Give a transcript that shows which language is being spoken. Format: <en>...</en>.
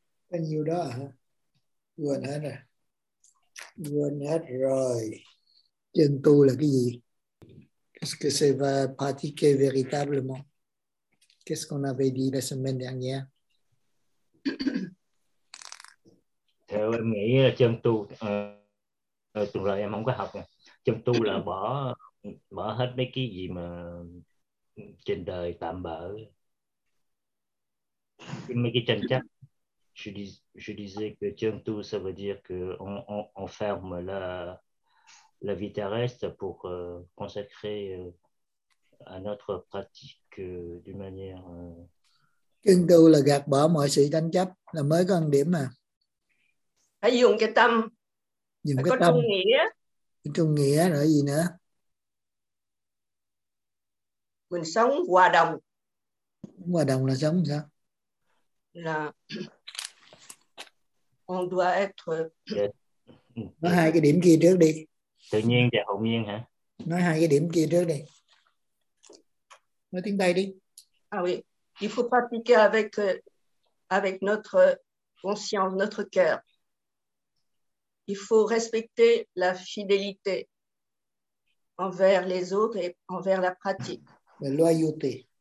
<vi>Bao nhiêu đó hả? Quên hết rồi. Quên hết rồi. Chân tu là cái gì?</vi> <fr>Qu'est-ce que c'est va pratiquer véritablement? Qu'est-ce qu'on avait dit la semaine dernière?</fr> <vi>Theo em nghĩ là chân tu, từ rồi em không có học. Chân tu là bỏ hết mấy cái gì mà trên đời tạm bỡ, mấy cái tranh chấp.</vi> <fr>Je disais que chân tu, ça veut dire que on ferme la vie terrestre pour consacrer à notre pratique d'une manière.</fr> <vi>Chân tu là gạt bỏ mọi sự tranh chấp, là mới có ăn điểm mà. Hãy dùng cái tâm, dùng cái có tâm. trung nghĩa rồi gì nữa? Mình sống hòa đồng. Hòa đồng là sống sao?</vi> <fr>Là on doit être.</fr> <vi>Nói hai cái điểm kia trước đi. Tự nhiên và hồn nhiên hả? Nói hai cái điểm kia trước đi. Nói tiếng Tây đi.</vi> <fr>Ah oui, il faut pratiquer avec notre conscience, notre cœur. Il faut respecter la fidélité envers les autres et envers la pratique. La loyauté.</fr>